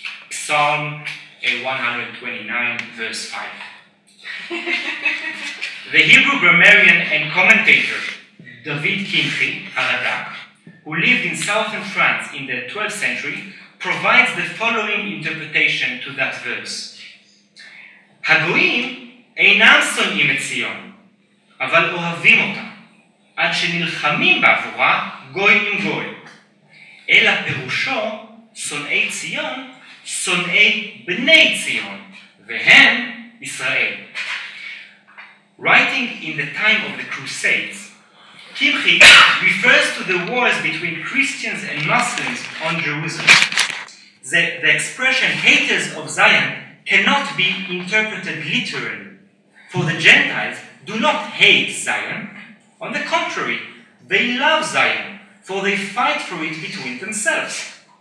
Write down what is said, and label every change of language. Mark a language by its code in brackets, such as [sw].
[en] Psalm 129:5. The Hebrew grammarian and commentator David Kimchi Haradak, who lived in southern France in the 12th century, provides the following interpretation to that verse. [he] Hagoyim אינם שונאים את ציון, אבל אוהבים אותה, עד שנלחמים בעבורה גוי עם גוי. אלא פירושו, שונאי ציון, שונאי בני ציון, והם ישראל. [en] Writing in the time of the Crusades, Kimchi refers to the wars between Christians and Muslims on Jerusalem. The expression haters of Zion cannot be interpreted literally. For the Gentiles do not hate Zion. On the contrary, they love Zion, for they fight for it between themselves.